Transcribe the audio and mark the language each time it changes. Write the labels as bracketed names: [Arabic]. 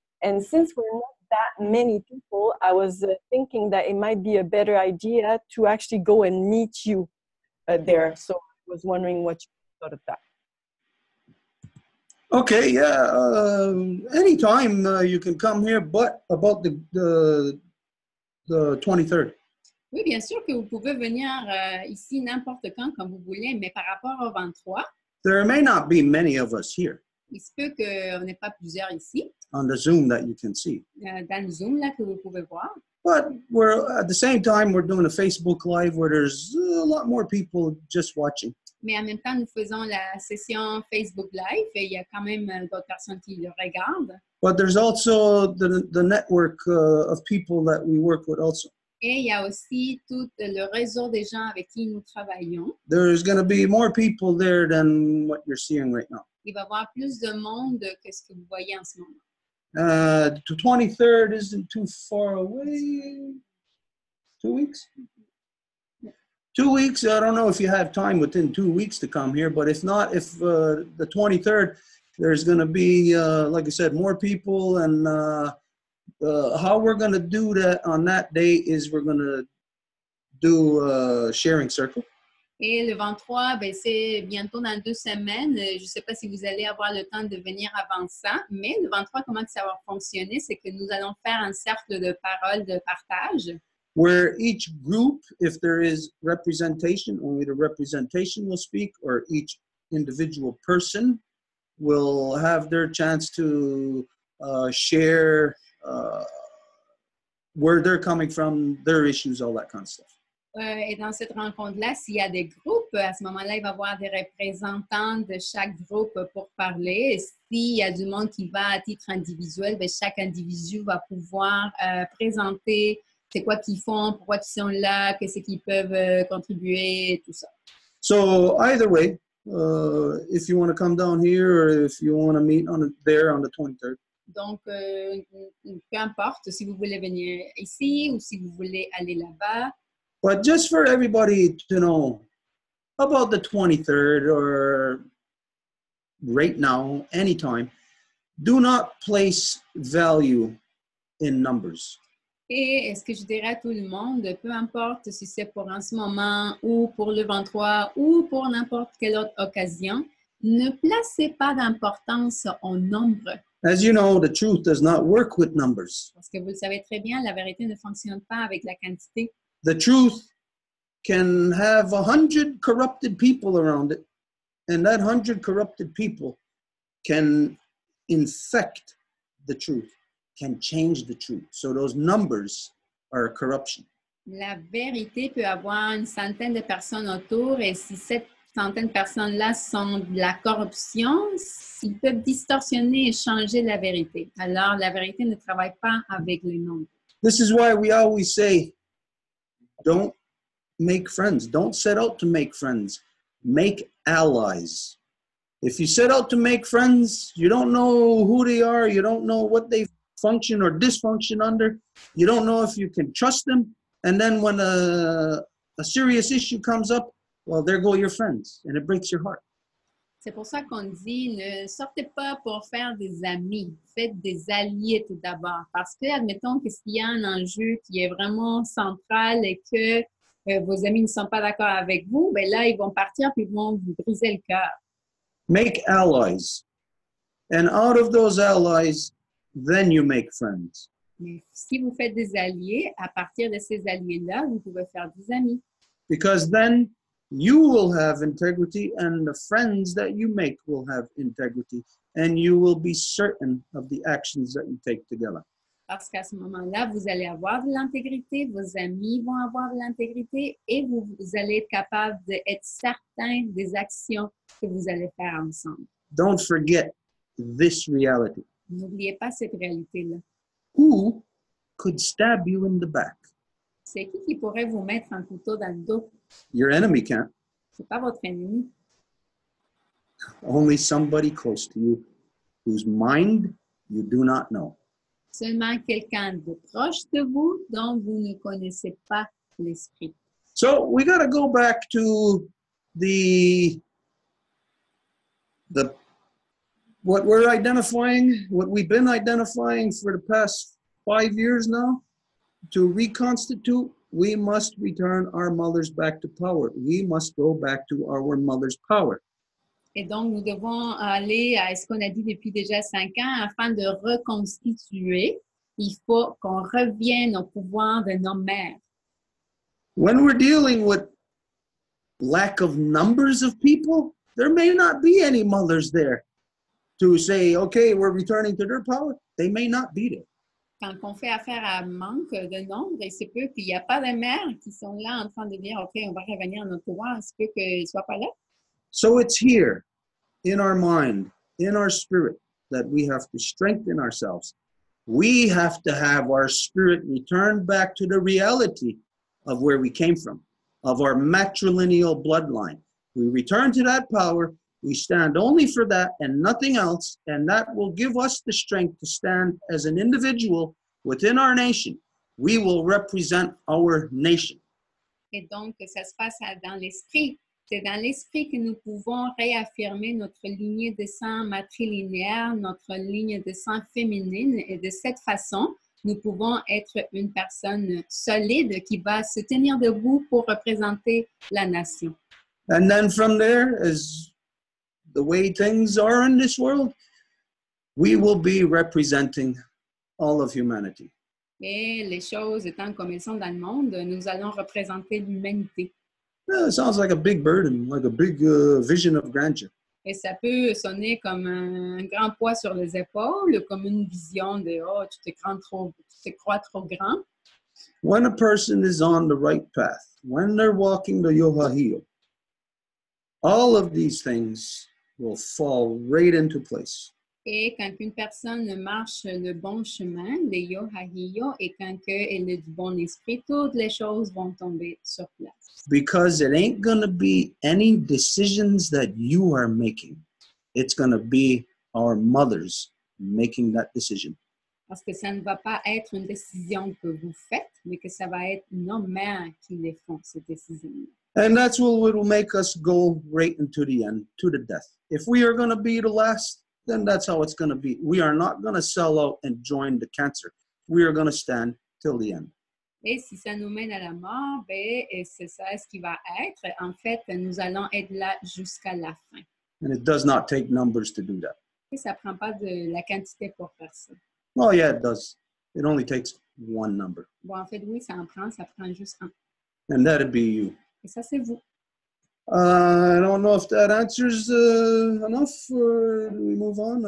[English] And since we're not that many people, I was thinking that it might be a better idea to actually go and meet you there. So I was wondering what you thought of that. Okay, yeah, anytime you can come here, but about the 23rd. [French] Oui, bien sûr que vous pouvez venir ici n'importe quand, comme vous voulez, mais par rapport au 23. [English] There may not be many of us here. [French] Il se peut qu'on n'ait pas plusieurs ici. [English] On the Zoom that you can see. [French] Dans le Zoom, là, que vous pouvez voir. [English] But we're, at the same time, we're doing a Facebook Live where there's a lot more people just watching. [French] Mais en même temps, nous faisons la session Facebook Live et il y a quand même d'autres personnes qui le regardent. [English] But there's also the network of people that we work with also. [French] Et il y a aussi tout le réseau des gens avec qui nous travaillons. [English] There's going to be more people there than what you're seeing right now. [French] Il va y avoir plus de monde que ce que vous voyez en ce moment. [English] The 23rd isn't too far away. 2 weeks? Yeah. 2 weeks. I don't know if you have time within 2 weeks to come here, but if not, if the 23rd, there's going to be, like I said, more people. And how we're going to do that on that day is we're going to do a sharing circle. [French] Et le 23, ben c'est bientôt dans deux semaines. Je ne sais pas si vous allez avoir le temps de venir avant ça, mais le 23, comment ça va fonctionner? C'est que nous allons faire un cercle de paroles de partage. [English] Where each group, if there is representation, only the representation will speak, or each individual person will have their chance to share where they're coming from, their issues, all that kind of stuff. [French] Et dans cette rencontre-là, s'il y a des groupes, à ce moment-là, il va y avoir des représentants de chaque groupe pour parler. Et s'il y a du monde qui va à titre individuel, bien, chaque individu va pouvoir présenter c'est quoi qu'ils font, pourquoi ils sont là, qu'est-ce qu'ils peuvent contribuer, tout ça. [English] So, either way, if you want to come down here or if you want to meet on there on the 23rd. [French] Donc, peu importe si vous voulez venir ici ou si vous voulez aller là-bas. [English] But just for everybody to know about the 23rd or right now, anytime, do not place value in numbers. [French] Et est-ce que je dirais à tout le monde, peu importe si c'est pour en ce moment ou pour le 23 ou pour n'importe quelle autre occasion, ne placez pas d'importance au nombre. [English] As you know, the truth does not work with numbers. [French] Parce que vous le savez très bien, la vérité ne fonctionne pas avec la quantité. [English] The truth can have 100 corrupted people around it, and that 100 corrupted people can infect the truth, can change the truth. So those numbers are a corruption. [French] La vérité peut avoir une centaine de personnes autour, et si cette centaine de personnes-là sont de la corruption, ils peuvent distorsionner et changer la vérité. Alors, la vérité ne travaille pas avec les nombres. [English] This is why we always say, don't make friends. Don't set out to make friends. Make allies. If you set out to make friends, you don't know who they are. You don't know what they function or dysfunction under. You don't know if you can trust them. And then when a serious issue comes up, well, there go your friends. And it breaks your heart. [French] C'est pour ça qu'on dit, ne sortez pas pour faire des amis. Faites des alliés tout d'abord. Parce que, admettons que s'il y a un enjeu qui est vraiment central et que vos amis ne sont pas d'accord avec vous, ben là, ils vont partir puis ils vont vous briser le cœur. [English] Make allies. And out of those allies, then you make friends. [French] Mais si vous faites des alliés, à partir de ces alliés-là, vous pouvez faire des amis. [English] Because then, you will have integrity, and the friends that you make will have integrity, and you will be certain of the actions that you take together. [French] Parce qu'à ce moment-là, vous allez avoir de l'intégrité, vos amis vont avoir de l'intégrité, et vous allez être capable d'être certain des actions que vous allez faire ensemble. [English] Don't forget this reality. [French] N'oubliez pas cette réalité-là. [English] Who could stab you in the back? [French] C'est qui pourrait vous mettre un couteau dans le dos? [English] Your enemy can't. [French] C'est pas votre ennemi. [English] Only somebody close to you whose mind you do not know. [French] Seulement quelqu'un de proche de vous dont vous ne connaissez pas l'esprit. [English] So we got to go back to the what we're identifying, what we've been identifying for the past 5 years now. To reconstitute, we must return our mothers back to power. We must go back to our mother's power. [French] Et donc, nous devons aller à ce qu'on a dit depuis déjà 5 ans, afin de reconstituer, il faut qu'on revienne au pouvoir de nos mères. [English] When we're dealing with lack of numbers of people, there may not be any mothers there to say, okay, we're returning to their power. They may not be there. [French] Quand on fait affaire à manque de nombre, il se peut qu'il n'y a pas de mères qui sont là en train de dire, OK, on va revenir à notre pouvoir, il se peut qu'ils ne soient pas là. [English] So it's here, in our mind, in our spirit, that we have to strengthen ourselves. We have to have our spirit return back to the reality of where we came from, of our matrilineal bloodline. We return to that power, we stand only for that and nothing else, and that will give us the strength to stand as an individual within our nation. We will represent our nation. [French] Et donc, ça se passe dans l'esprit. C'est dans l'esprit que nous pouvons réaffirmer notre lignée de sang matrilinéaire, notre ligne de sang féminine, et de cette façon, nous pouvons être une personne solide qui va se tenir debout pour représenter la nation. [English] And then from there, as the way things are in this world, we will be representing all of humanity. [French] Et les choses étant comme elles sont dans le monde, nous allons représenter l'humanité. [English] Yeah, it sounds like a big burden, like a big vision of grandeur. [French] Et ça peut sonner comme un grand poids sur les épaules, comme une vision de, oh, tu te crois trop grand. [English] When a person is on the right path, when they're walking the yoga heel, all of these things will fall right into place. [French] Et quand une personne marche le bon chemin, le yoga heel, et quand elle est du bon esprit, toutes les choses vont tomber sur place. [English] Because it ain't gonna be any decisions that you are making. It's gonna be our mothers making that decision. [French] Parce que ça ne va pas être une décision que vous faites, mais que ça va être nos mères qui les font, ces décisions. [English] And that's what will make us go right into the end, to the death. If we are gonna be the last, then that's how it's gonna be. We are not gonna sell out and join the cancer. We are gonna stand till the end. [French] Et si ça nous mène à la mort, ben, c'est ça ce qui va être. En fait, nous allons être là jusqu'à la fin. [English] And it does not take numbers to do that. [French] Et ça prend pas de la quantité pour faire ça. [English] Oh yeah, it does. It only takes one number. [French] Bon, en fait, oui, ça prend juste un. [English] And that'd be you. [French] Et ça, c'est vous. [English] I don't know if that answers enough. Do we move on?